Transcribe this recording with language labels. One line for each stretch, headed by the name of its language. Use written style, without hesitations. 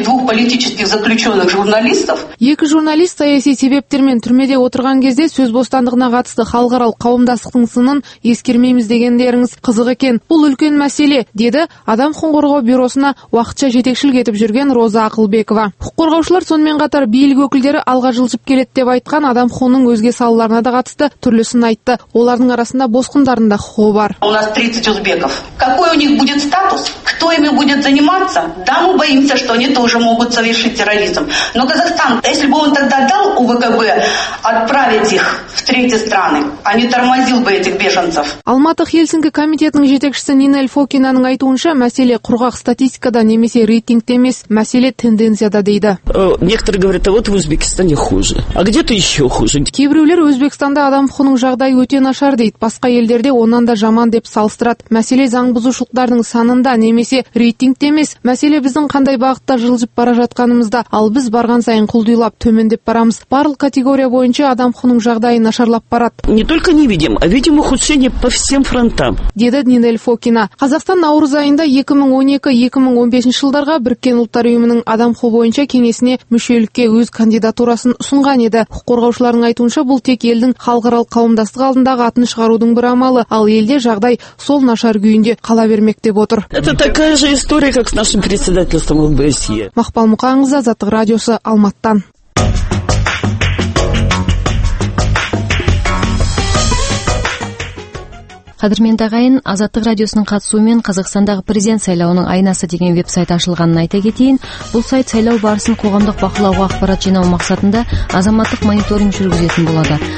Kazakh: Екі журналист саяси себептермен түрмеде отырған кезде сөз бостандығына қатысты халықаралық қауымдастықтың сынын ескермейміз дегендеріңіз қызық екен. Бұл үлкен мәселе, деді адам құқығын қорғау бюросына уақытша жетекшілік етіп жүрген Роза Ақылбекова. Құқық қорғаушылар сонымен қатар билік өкілдері алға жылжып келеді деп айтқан адам оның өзге салаларына да қатысты түрлісін айтты. Олардың арасында босқындарында құқығы бар.
Russian: У нас 30 узбеков. Какой у них будет статус? Кто ими будет заниматься? Да, мы боимся, что они тоже могут совершить терроризм. Но Казахстан, если бы он тогда дал УВКБ отправить их в третьи страны, а не тормозил бы этих беженцев.
Kazakh: Алматы Хельсинки комитетінің жетекшісі Нинель Фокинаның айтуынша, мәселе құрғақ статистикада немесе рейтингте емес, мәселе тенденцияда дейді.
Russian: Некоторые говорят, а вот в Узбекистане хуже. А где-то еще хуже.
Kazakh: Кейбіреулер Өзбекстанда адам құқығының жағдайы өте нашар дейді, басқа елдерде онан да жаман деп салыстырады. Мәселе заң бұзушылықтардың санында немесе рейтингте емес, мәселе біздің қандай бағытта жылжып бара жатқанымызда, ал біз барған сайын құлдилап төмендеп барамыз. Барлық категория бойынша адам құқығының жағдайы нашарлап барады.
Russian: Не только не видим, а видим ухудшение по всем фронтам.
Kazakh: Деді Нинель Фокина. Қазақстан наурыз айында 2012-2015 жылдарға Біріккен ұлттар ұйымының адам құқығы бойынша кеңесіне мүшелікке өз кандидатурасын ұсынған еді. Құқық қорғаушылардың айтуынша, бұл тек елдің халықаралық қауымдастық алдындағы атын шығарудың бір амалы, ал елде жағдай сол нашар күйінде қала бермек деп отыр.
Russian: Это такая же история, как с нашим председательством в БСЕ.
Kazakh: Мақпал Мұқанқызы, Азаттық радиосы, Алматыдан. Қадірмен тағайын, Азаттық радиосының қатысуымен Қазақстандағы президент сайлауының айнасы деген веб-сайт ашылғанын айта кетейін. Бұл сайт сайлау барысын қоғамдық бақылауға ақпарат жинау мақсатында азаматтық мониторинг жүргізетін болады.